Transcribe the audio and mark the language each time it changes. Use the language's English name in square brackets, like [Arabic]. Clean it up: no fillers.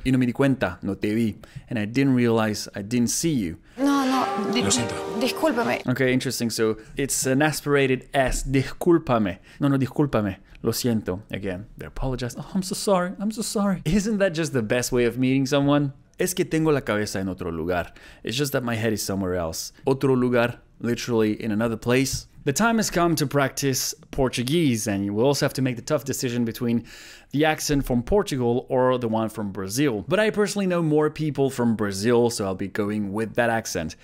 [Spanish] Y no me di cuenta, no te vi. [English] And I didn't realize, I didn't see you. [Spanish] No, lo siento. Discúlpame. [English] Okay, interesting, so it's an aspirated S, discúlpame. [Spanish] No, discúlpame. Lo siento. [English] Again, they apologize. Oh, I'm so sorry. Isn't that just the best way of meeting someone? [Spanish] Es que tengo la cabeza en otro lugar. [English] It's just that my head is somewhere else. [Spanish] Otro lugar, [English] literally in another place. The time has come to practice Portuguese, and you will also have to make the tough decision between the accent from Portugal or the one from Brazil. But I personally know more people from Brazil, so I'll be going with that accent.